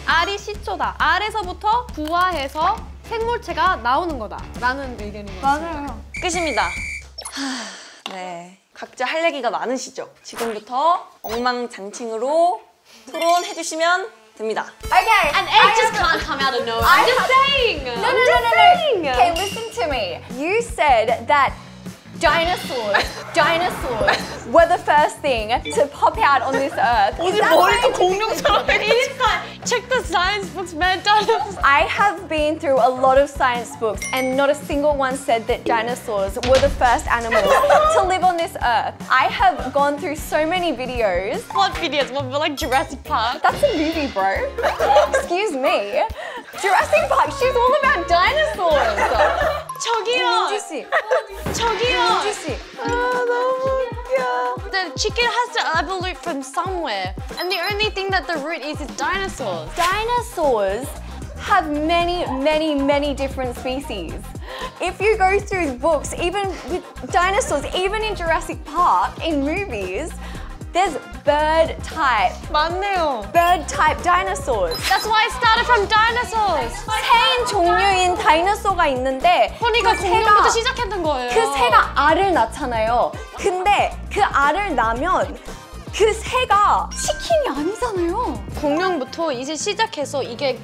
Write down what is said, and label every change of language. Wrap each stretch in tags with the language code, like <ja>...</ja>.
<ko>알이 시초다. 알에서부터 부화해서 생물체가 나오는 거다. 라는 의견인 것 같습니다. 맞아요. 끝입니다. 네, 각자 할 얘기가 많으시죠? 지금부터 엉망잔칭으로 토론해주시면 됩니다.</ko> <en>Okay. And egg just can't come out of nowhere. I'm just saying. No, no, no, no, no. Okay, listen to me. You said that dinosaurs were the first thing to pop out on this earth.</en> <ko>오늘 머리도 공룡처럼 해줬어.</ko> <en>Check the science books, man. I have been through a lot of science books and not a single one said that dinosaurs were the first animals to live on this earth. I have gone through so many videos. What videos? What, like Jurassic Park? That's a movie, bro. Excuse me. Jurassic Park, she's all about dinosaurs.</en> <ko>저기요. 민주 씨. 저기요. 민주 씨.</ko> <en>Chicken has to evolve from somewhere. And the only thing that the root is dinosaurs. Dinosaurs have many, many, many different species. If you go through books, even with dinosaurs, even in Jurassic Park, in movies, there's bird type.</en> <ko>맞네요.</ko> <en>Bird type dinosaurs. That's why it started from dinosaurs.</en> <ko>세 종류인 다이너소가 있는데 그러니까 공룡부터 시작했던 거예요. 그 새가 알을 낳잖아요. 근데 그 알을 낳으면 그 새가 치킨이 아니잖아요. 공룡부터 이제 시작해서 이게</ko>